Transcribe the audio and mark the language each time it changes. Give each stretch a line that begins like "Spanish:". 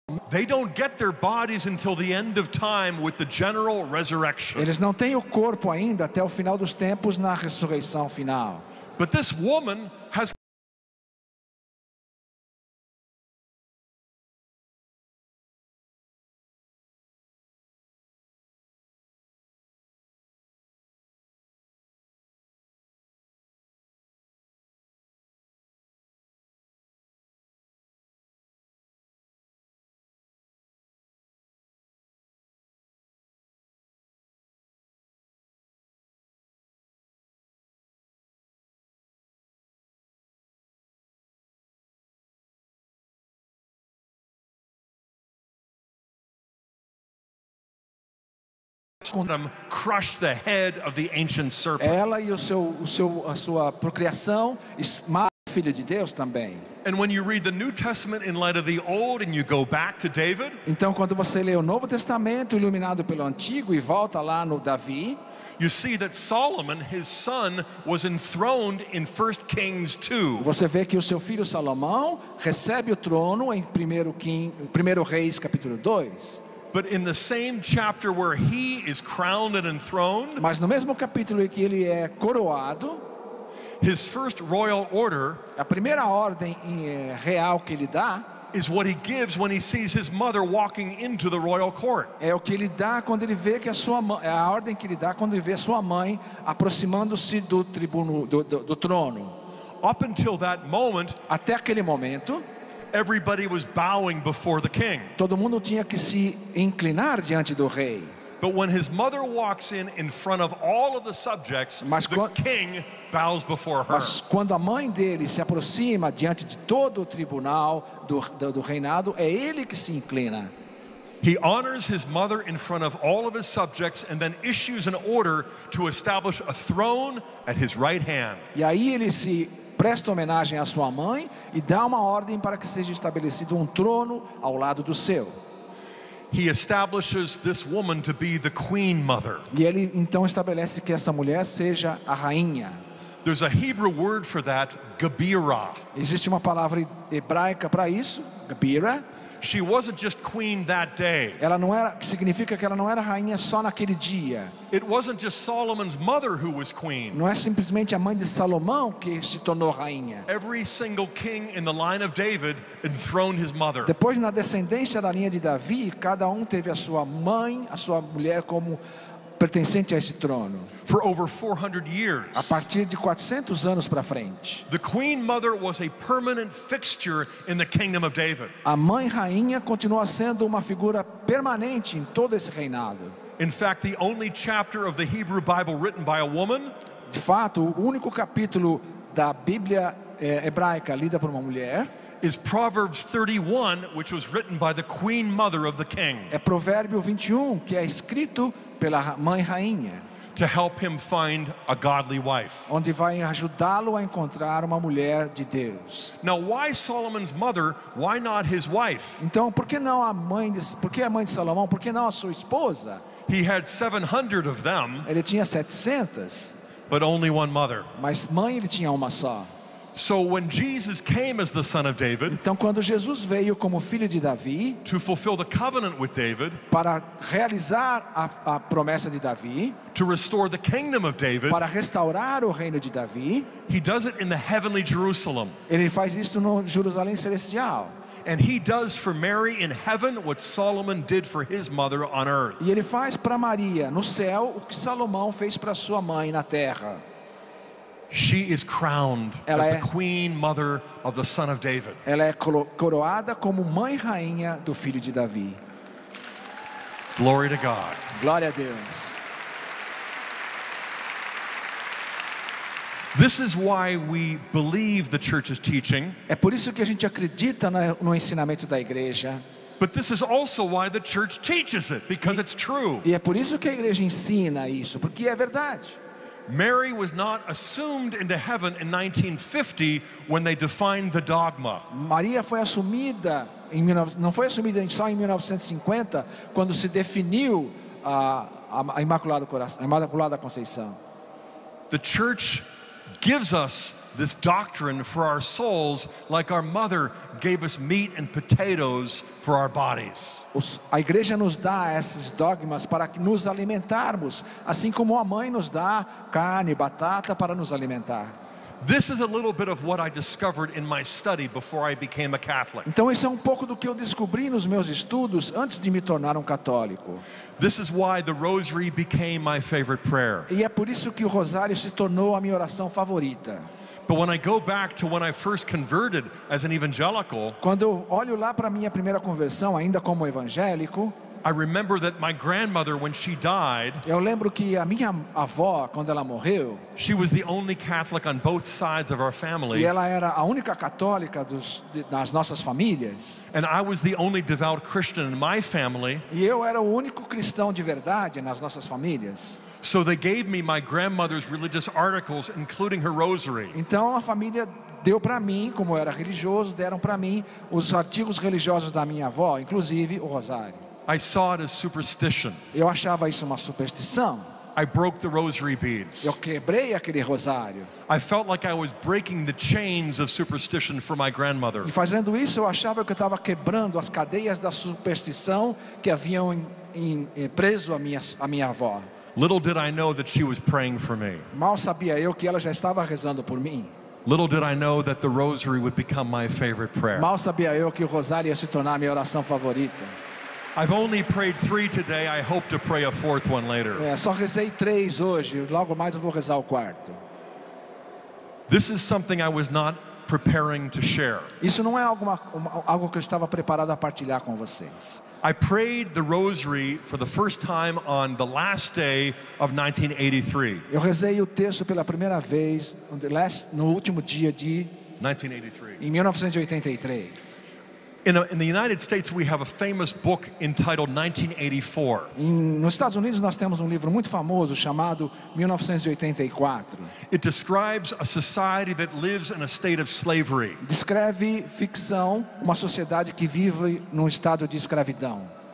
English: They don't get their bodies until the end of time with the general resurrection.
Portuguese: Eles não têm o corpo ainda até o final dos tempos na ressurreição final.
English: But this woman has crushed the head of the ancient serpent.
Portuguese: Ela e a sua procriação esmaga o filho de Deus também.
English: And when you read the New Testament in light of the Old and you go back to David?
Portuguese: Então quando você lê o Novo Testamento iluminado pelo Antigo e volta lá no Davi,
English: you see that Solomon, his son, was enthroned in 1 Kings 2.
Portuguese: Você vê que o seu filho Salomão recebe o trono em 1 Reis capítulo 2.
English: But in the same chapter where he is crowned and enthroned,
Portuguese: mas no mesmo capítulo em que ele é coroado,
English: his first royal order,
Portuguese: a primeira ordem real que ele dá,
English: is what he gives when he sees his mother walking into the royal court.
Portuguese: É o que ele dá quando ele vê que a ordem que ele dá quando ele vê sua mãe aproximando-se do trono.
English: Up until that moment,
Portuguese: até aquele momento,
English: everybody was bowing before the king.
Portuguese: Todo mundo tinha que se inclinar diante do rei.
English: But when his mother walks in front of all of the subjects, the king bows before her.
Portuguese: Mas quando a mãe dele se aproxima diante de todo o tribunal do reinado, é ele que se inclina.
English: He honors his mother in front of all of his subjects and then issues an order to establish a throne at his right hand.
Portuguese: E aí ele se presta homenagem à sua mãe e dá uma ordem para que seja estabelecido um trono ao lado do seu.
English: He establishes this woman to be the queen mother.
Portuguese: E ele então estabelece que essa mulher seja a rainha.
English: There's a Hebrew word for that, gebira.
Portuguese: Existe uma palavra hebraica para isso, gebira.
English: She wasn't just queen that day.
Portuguese: Ela não era, significa que ela não era rainha só naquele dia.
English: It wasn't just Solomon's mother who was queen.
Portuguese: Não é simplesmente a mãe de Salomão que se tornou rainha.
English: Every single king in the line of David enthroned his mother.
Portuguese: Depois na descendência da linha de Davi, cada um teve a sua mãe, a sua mulher como pertencente a esse trono.
English: For over 400 years,
Portuguese: a partir de 400 anos para frente,
English: the queen mother was a permanent fixture in the kingdom of David.
Portuguese: A mãe rainha continua sendo uma figura permanente em todo esse reinado.
English: In fact, the only chapter of the Hebrew Bible written by a woman,
Portuguese: de fato, o único capítulo da Bíblia hebraica lida por uma mulher,
English: is Proverbs 31, which was written by the queen mother of the king.
Portuguese: É Provérbio 21 que é escrito pela mãe rainha.
English: To help him find a godly wife.
Portuguese: Onde vai ajudá-lo a encontrar uma mulher de Deus.
English: Now, why Solomon's mother? Why not his wife?
Portuguese: Então, por que não por que a mãe de Salomão? Por que não a sua esposa?
English: He had 700 of them.
Portuguese: Ele tinha 700.
English: But only one mother.
Portuguese: Mas mãe ele tinha uma só.
English: So when Jesus came as the son of David,
Portuguese: então quando Jesus veio como filho de Davi,
English: to fulfill the covenant with David,
Portuguese: para realizar a promessa de Davi,
English: to restore the kingdom of David,
Portuguese: para restaurar o reino de Davi,
English: he does it in the heavenly Jerusalem.
Portuguese: Ele faz isso no Jerusalém celestial.
English: And he does for Mary in heaven what Solomon did for his mother on earth.
Portuguese: E ele faz para Maria no céu o que Salomão fez para sua mãe na terra.
English: She is crowned
Portuguese: ela
English: as the queen mother of the son of David.
Portuguese: Ela é coroada como mãe rainha do filho de Davi.
English: Glory to God.
Portuguese: Glória a Deus.
English: This is why we believe the church's teaching.
Portuguese: É por isso que a gente acredita no ensinamento da igreja.
English: But this is also why the church teaches it, because it's true.
Portuguese: E é por isso que a igreja ensina isso, porque é verdade.
English: Mary was not assumed into heaven in 1950 when they defined the dogma.
Portuguese: Maria foi assumida não foi assumida só em 1950 quando se definiu a Imaculada Conceição.
English: The church gives us this doctrine for our souls like our mother gave us meat and potatoes for our bodies.
Portuguese: A igreja nos dá esses dogmas para nos alimentarmos, assim como a mãe nos dá carne, batata para nos alimentar.
English: This is a little bit of what I discovered in my study before I became a Catholic.
Portuguese: Então isso é um pouco do que eu descobri nos meus estudos antes de me tornar católico.
English: This is why the rosary became my favorite prayer.
Portuguese: E é por isso que o rosário se tornou a minha oração favorita.
English: But when I go back to when I first converted as an evangelical,
Portuguese: quando eu olho lá para minha primeira conversão ainda como evangélico,
English: I remember that my grandmother, when she died,
Portuguese: eu lembro que a minha avó, quando ela morreu,
English: she was the only Catholic on both sides of our family.
Portuguese: E ela era a única católica das nossas famílias.
English: And I was the only devout Christian in my family.
Portuguese: E eu era o único cristão de verdade nas nossas famílias.
English: So they gave me my grandmother's religious articles, including her rosary.
Portuguese: Então a família deu para mim, como eu era religioso, deram para mim os artigos religiosos da minha avó, inclusive o rosário.
English: I saw it as superstition.
Portuguese: Eu achava isso uma superstição.
English: I broke the rosary beads.
Portuguese: Eu quebrei aquele rosário.
English: I felt like I was breaking the chains of superstition for my grandmother.
Portuguese: E fazendo isso, eu achava que eu estava quebrando as cadeias da superstição que haviam preso a minha avó.
English: Little did I know that she was praying for me.
Portuguese: Mal sabia eu que ela já estava rezando por mim.
English: Little did I know that the rosary would become my favorite prayer.
Portuguese: Mal sabia eu que o rosário ia se tornar a minha oração favorita.
English: I've only prayed three today. I hope to pray a fourth one later.
Portuguese: É, só rezei três hoje. Logo mais eu vou rezar o quarto.
English: This is something I was not preparing to share.
Portuguese: Isso não é algo que eu estava preparado a partilhar com vocês.
English: I prayed the rosary for the first time on the last day of 1983.
Portuguese: Eu rezei o terço pela primeira vez no último dia de 1983. Em 1983.
English: In the United States, we have a famous book entitled 1984.
Portuguese: Nos Estados Unidos, nós temos livro muito famoso chamado 1984.
English: It describes a society that lives in a state of slavery.
Portuguese: Descreve ficção, uma sociedade que vive num estado de escravidão.